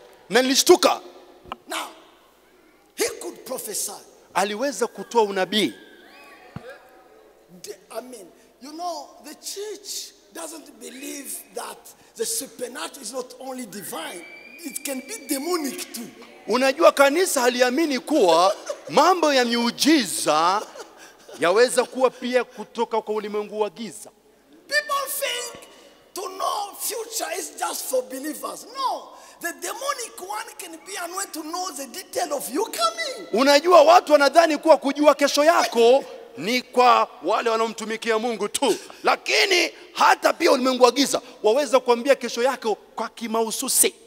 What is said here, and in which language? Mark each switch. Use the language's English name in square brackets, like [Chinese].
[Swahili] Nilishtuka. [English] Now he could prophesy. [Swahili] aliweza kutoa unabii. [English] I mean, you know, the church doesn't believe that the supernatural is not only divine. It can be demonic too. [Swahili] Unajua kanisa haliamini kuwa mambo ya miujiza yaweza kuwa pia kutoka kwa ulimwengu wa giza. [English] People think to know future is just for believers. No, the demonic one can be anointed to know the detail of you coming. [Swahili] Unajua watu wanadhani kuwa kujua kesho yako ni kwa wale wanaomtumikia Mungu tu. Lakini hata pia ulimwengu wa giza waweza kuambia kesho yako kwa kimahususi.